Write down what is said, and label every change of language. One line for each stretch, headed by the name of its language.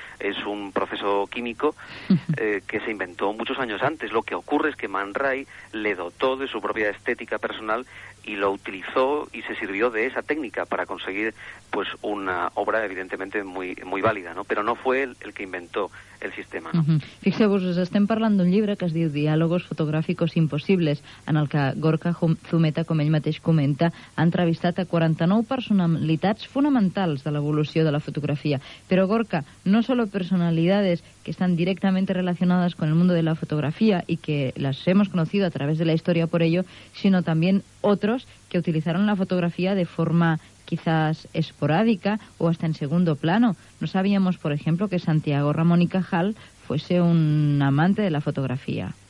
Spanish: Es un proceso químico que se inventó muchos años antes. Lo que ocurre es que Man Ray le dotó de su propia estética personal y lo utilizó y se sirvió de esa técnica para conseguir pues una obra evidentemente muy muy válida, ¿no? Pero no fue él el que inventó el sistema, ¿no? Uh-huh.
Catalan: Fixeu-vos, us estem parlant d'un llibre que es diu Diálogos fotográficos imposibles, en el que Gorka Zumeta, com ell mateix comenta, ha entrevistat a 49 personalitats fonamentals de l'evolució de la fotografia.
Spanish: Però Gorka, no solo personalidades que están directamente relacionadas con el mundo de la fotografía y que las hemos conocido a través de la historia por ello, sino también otros que utilizaron la fotografía de forma quizás esporádica o hasta en segundo plano. No sabíamos, por ejemplo, que Santiago Ramón y Cajal fuese un amante de la fotografía.